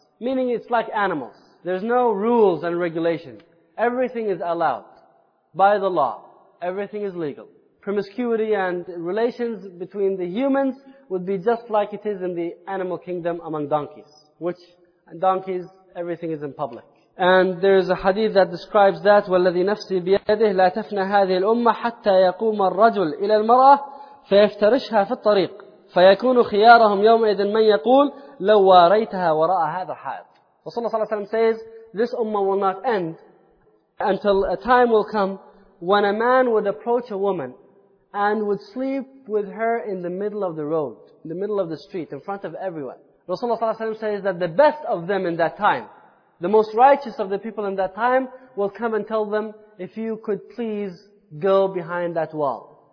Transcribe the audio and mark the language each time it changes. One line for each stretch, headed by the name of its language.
English: Meaning it's like animals. There's no rules and regulation. Everything is allowed by the law. Everything is legal. Promiscuity and relations between the humans would be just like it is in the animal kingdom among donkeys. Which donkeys everything is in public. And there is a hadith that describes that,
Arabic: وَالَّذِي نَفْسِي بِيَدِهِ لَا تَفْنَى هَذِهِ الْأُمَّةِ حَتَّى يَقُومَ الرَّجُلُ إِلَى الْمَرْأَةِ فَيَفْتَرِشْهَا فِي الطَّرِيقِ فَيَكُونُ خِيَارَهُمْ يَوْمَئِذٍ مَنْ يَقُولُ لَوْ وَارَيْتَهَا وَرَأَى هَذَا الْحَائِطَ.
English: Rasulullah صلى الله عليه وسلم says, this ummah will not end until a time will come when a man would approach a woman and would sleep with her in the middle of the road, in the middle of the street, in front of everyone. Rasulullah صلى الله عليه وسلم says that the best of them in that time, the most righteous of the people in that time, will come and tell them, if you could please go behind that wall.